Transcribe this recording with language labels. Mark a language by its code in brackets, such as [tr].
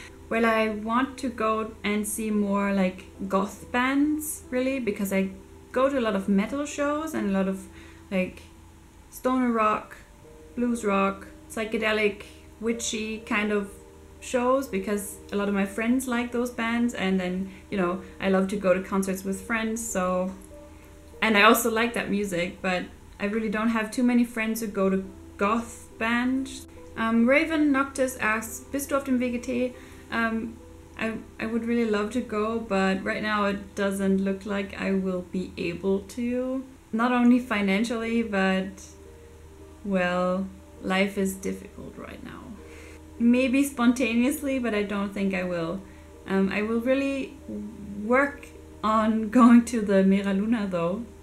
[en] Well, I want to go and see more like goth bands, really, because I go to a lot of metal shows and a lot of like stoner rock, blues rock, psychedelic, witchy kind of shows, because a lot of my friends like those bands, and then, you know, I love to go to concerts with friends, so, and I also like that music, but I really don't have too many friends who go to goth bands. [de] Raven Noctis [en] asks, [de] bist du auf dem WGT? [en] I would really love to go, but right now it doesn't look like I will be able to. Not only financially, but, well, life is difficult right now. Maybe spontaneously, but I don't think I will. I will really work on going to the Mira Luna, though.